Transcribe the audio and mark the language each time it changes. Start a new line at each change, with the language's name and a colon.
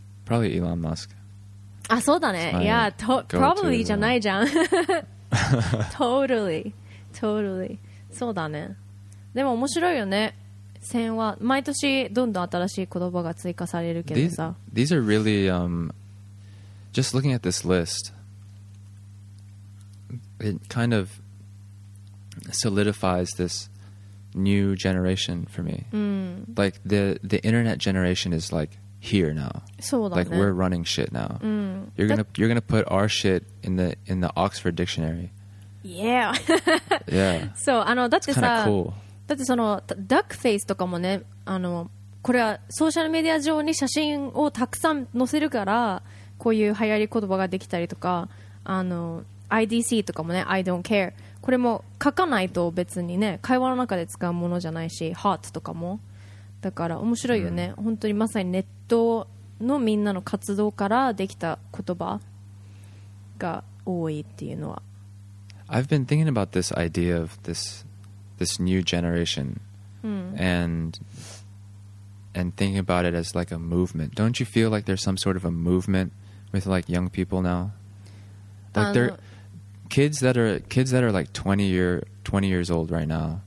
English: yeah. Probably Elon Musk。
Japanese: あ、そうだね、いや、Probably じゃないじゃん。
English: Totally Totally
Japanese: そうだね。でも面白いよね、線は。毎年どんどん新しい言葉が追加されるけどさ、
English: these are really、just looking at this list, it kind of solidifies this new generation for me、
Japanese: うん、
English: like the internet generation is like here now、
Japanese: そうだね、
English: like we're running shit now、
Japanese: うん、
English: you're gonna put our shit in the Oxford dictionary、 yeah. yeah.
Japanese: そう、あの、だってさ、
English: it's kinda cool。
Japanese: だってそのダックフェイスとかもね、あの、これはソーシャルメディア上に写真をたくさん載せるからこういう流行り言葉ができたりとか、あの IDC とかもね、
English: I don't care、
Japanese: これも書かないと別にね、会話の中で使うものじゃないし、 Hot とかもだから面白いよね、うん、本当にまさにネットのみんなの活動からできた言葉が多いっていうのは。
English: I've been thinking about this idea of this new generation、 mm. and thinking about it as like a movement. Don't you feel like there's some sort of a movement with like young people now? Like they're kids that are like 20 years old right now、